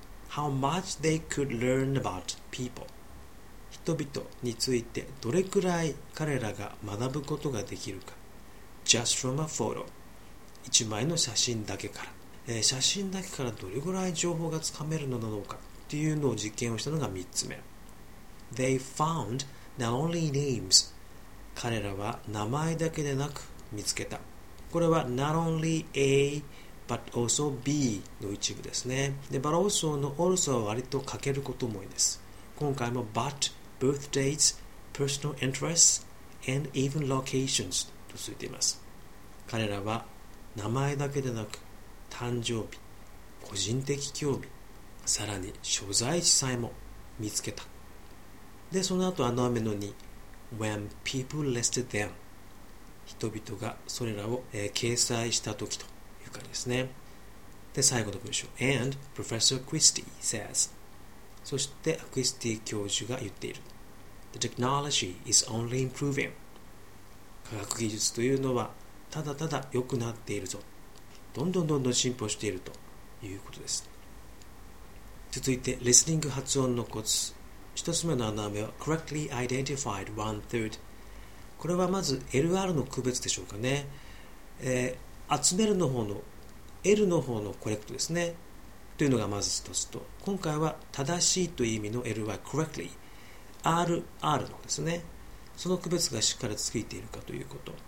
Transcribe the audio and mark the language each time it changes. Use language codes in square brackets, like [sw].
[en] How much they could learn about people [ja] 人々についてどれくらい彼らが学ぶことができるか。 [en] Just from a photo [ja] 1枚の写真だけから、写真だけからどれくらい情報がつかめるのだろうかっていうのを実験をしたのが3つ目。 [en] They foundNot only names. [ja] 彼らは名前だけでなく見つけた。これは [en] not only A, but also B [ja] の一部ですね。で、but also の also は割と欠けることも多いです。今回も [en] but, birth dates, personal interests, and even locations [ja] とついています。彼らは名前だけでなく誕生日、個人的興味、さらに所在地さえも見つけた。で、その後、穴埋めの2。 [en] When people listed them. [ja] 人々がそれらを、掲載した時という感じですね。で、最後の文章。 [en] And Professor Acquisti says. [ja] そして、アクイスティ教授が言っている。 [en] The technology is only improving. [ja] 科学技術というのは、ただただ良くなっているぞ。どんどんどんどん進歩しているということです。続いて、リスニング発音のコツ。 1つ目の穴埋めは [en] correctly identified 1/3。 [ja] これはまず LR の区別でしょうかね、集めるの方の L の方のコレクトですねというのがまず1つと、今回は正しいという意味の LY correctly RR のですね、その区別がしっかりついているかということ。